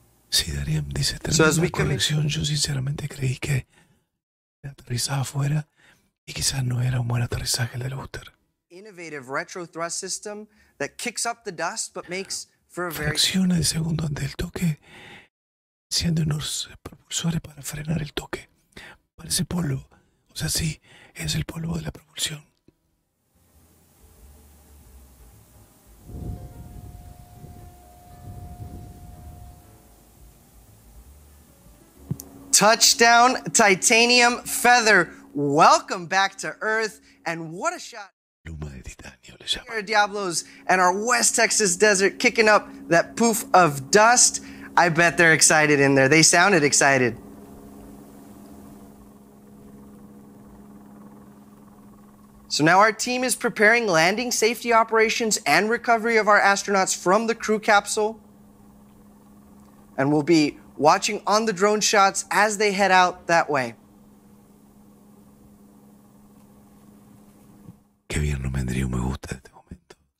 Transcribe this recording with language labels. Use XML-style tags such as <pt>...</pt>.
<es>Sí, Darío, dice,</es> <en>so as we come in,</en> <es>yo sinceramente creí que aterrizaba afuera y quizás no era un buen aterrizaje el del booster.</es> <en>Innovative retro thrust system that kicks up the dust but makes for a very</en> <es>fracción de segundo antes del toque, siendo unos propulsores para frenar el toque. Parece polvo, o sea, sí, es el polvo de la propulsión.</es> <en>Touchdown, titanium feather. Welcome back to Earth, and what a shot!</en> <es>Luma de titanio, le llaman.</es> <en>Here are Diablos and our West Texas desert kicking up that poof of dust. I bet they're excited in there. They sounded excited. So now our team is preparing landing safety operations and recovery of our astronauts from the crew capsule, and we'll be watching on the drone shots as they head out that way.</en> <es>Qué bien, no me vendría un me gusta en este momento.</es>